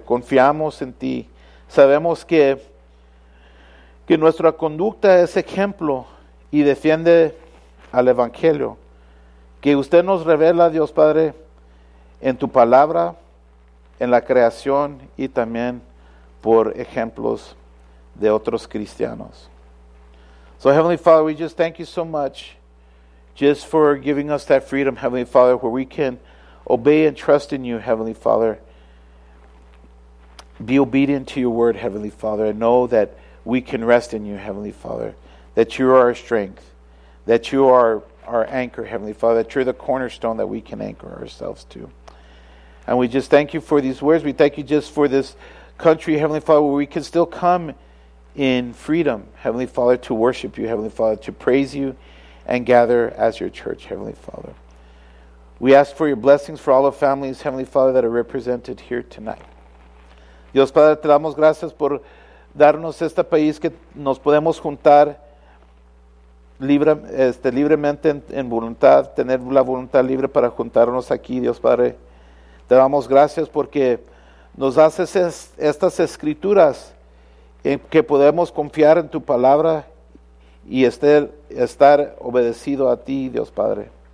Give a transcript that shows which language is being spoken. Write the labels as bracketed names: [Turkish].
[Spanish] Confiamos en Ti. Sabemos que nuestra conducta es ejemplo y defiende al Evangelio. Que Usted nos revela, Dios Padre, en Tu palabra, en la creación y también por ejemplos de otros cristianos. [English] So Heavenly Father, we just thank you so much just for giving us that freedom, Heavenly Father, where we can obey and trust in you, Heavenly Father. Be obedient to your word, Heavenly Father, and know that we can rest in you, Heavenly Father, that you are our strength, that you are our anchor, Heavenly Father, that you're the cornerstone that we can anchor ourselves to. And we just thank you for these words. We thank you just for this country, Heavenly Father, where we can still come in freedom, Heavenly Father, to worship you, Heavenly Father, to praise you and gather as your church, Heavenly Father. We ask for your blessings for all the families, Heavenly Father, that are represented here tonight. [Spanish] Dios Padre, te damos gracias por darnos este país que nos podemos juntar libremente en voluntad, tener la voluntad libre para juntarnos aquí, Dios Padre. Te damos gracias porque nos das estas escrituras en que podemos confiar en tu palabra y estar obedecido a ti, Dios Padre.